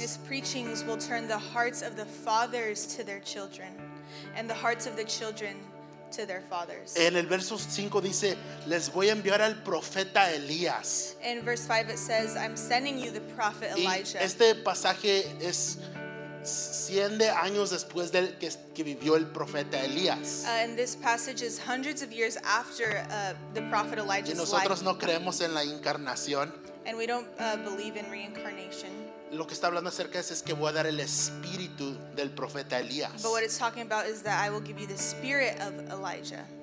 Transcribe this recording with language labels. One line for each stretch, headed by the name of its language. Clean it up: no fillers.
English: His preachings will turn the hearts of the fathers to their children, and the hearts of the children to their fathers.
Spanish: En el verso 5 dice, les voy a enviar al profeta Elías.
English: In verse 5 it says, I'm sending you the prophet Elijah.
Spanish: Y este pasaje es 100 de años después del que vivió el profeta Elías.
English: And this passage is hundreds of years after the prophet Elijah's life.
Spanish: Y nosotros
English: life.
Spanish: No creemos en la encarnación.
English: And we don't believe in reincarnation.
Spanish: Lo que está hablando acerca de eso es que voy a dar el espíritu del profeta Elías.
English: But what it's talking about is that I will give you the spirit of Elijah.